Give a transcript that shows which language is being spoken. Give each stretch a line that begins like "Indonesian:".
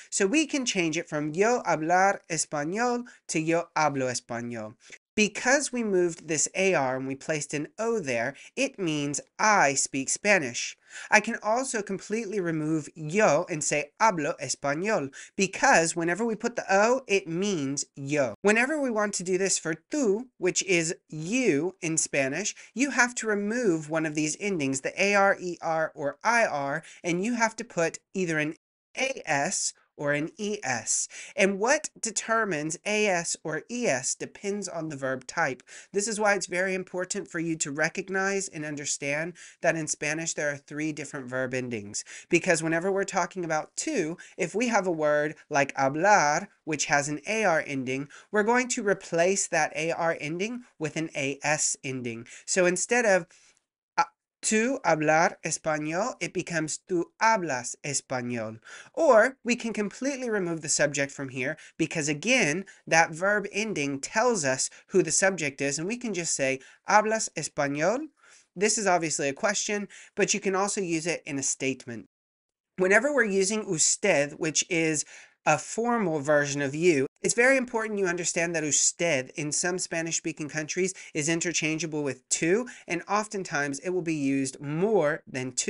English: So we can change it from
Spanish: yo hablar español
English: to
Spanish: yo hablo español.
English: Because we moved this AR and we placed an O there, it means I speak Spanish. I can also completely remove yo and say
Spanish: hablo español,
English: because whenever we put the O, it means yo. Whenever we want to do this for tú, which is you in Spanish, you have to remove one of these endings, the AR, ER, or IR, and you have to put either an AS or an ES. And what determines AS or ES depends on the verb type. This is why it's very important for you to recognize and understand that in Spanish there are three different verb endings. Because whenever we're talking about two, if we have a word like hablar, which has an AR ending, we're going to replace that AR ending with an AS ending. So instead of
Spanish: tú hablar español,
English: it becomes
Spanish: tú hablas español.
English: Or we can completely remove the subject from here, because again, that verb ending tells us who the subject is, and we can just say
Spanish: hablas español.
English: This is obviously a question, but you can also use it in a statement. Whenever we're using usted, which is a formal version of you, it's very important you understand that usted in some Spanish-speaking countries is interchangeable with tú, and oftentimes it will be used more than tú.